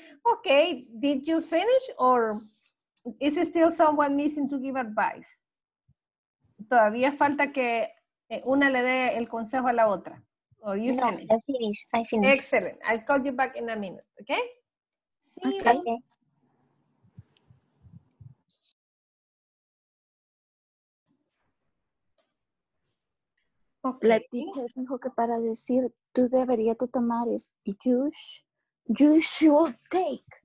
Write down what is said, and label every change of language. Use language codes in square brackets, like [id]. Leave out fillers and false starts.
[en] Okay, did you finish or is there still someone missing to give advice? [es] Todavía falta que una le dé el consejo a la otra. [en] Or you finish? No, I finished. Excellent. I'll call you back in a minute, okay? See you. Okay. [es] Okay. La teacher dijo que para decir tú deberías de tomar es [en] you should take.